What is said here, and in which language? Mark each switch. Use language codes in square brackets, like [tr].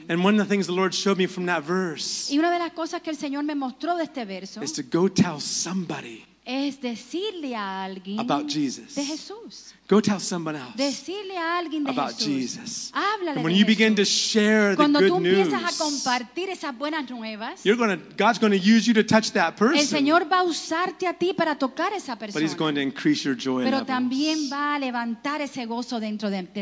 [en] And one of the things the Lord showed me from that verse. [es] Y una de las cosas que el Señor me mostró de este verso. [en] Is to go tell somebody. [es] Es decirle a alguien. [en] About Jesus. [es] De Jesús. [en] Go tell someone else. [es] Decirle a alguien de [en] about [es] Jesús. [en] Jesus. [es] Háblale [en] and when you [es] Jesús. [en] Begin to share the [es] cuando [en] good [es] tú empiezas [en] news. [es] A compartir esas buenas nuevas. [en] You're gonna, God's going to use you to touch that person. [es] El Señor va a usarte a ti para tocar esa persona. [en] But he's going to increase your joy [es] pero [en] levels. [es] También va a levantar ese gozo dentro de ti.